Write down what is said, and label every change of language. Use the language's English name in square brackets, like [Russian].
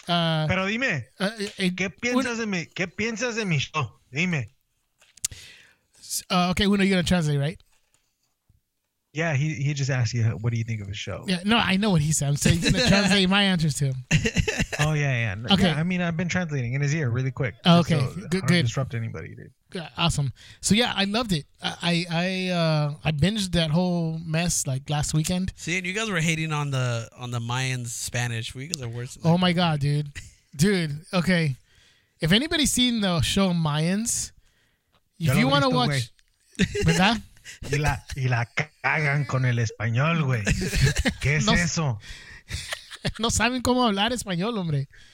[Spanish] Pero dime, ¿qué piensas de mi show? Dime. [English] Okay, Uno, you're going to translate, right? Yeah, he just asked you, what do you think of his show? Yeah, no, I know what he said. I'm saying, going to translate my answers to him. Oh, yeah. Okay. Yeah, I mean, I've been translating in his ear really quick. Okay, so good. I don't disrupt anybody, dude. Yeah, awesome. So, yeah, I loved it. I binged that whole mess like last weekend. See, and you guys were hating on the Mayans Spanish. You guys are worse than that. Oh, my God, dude. Okay. If anybody's seen the show Mayans, if you want to watch... [Spanish] ¿Verdad? y la cagan con el español, güey. ¿Qué es eso? No saben cómo hablar español, hombre.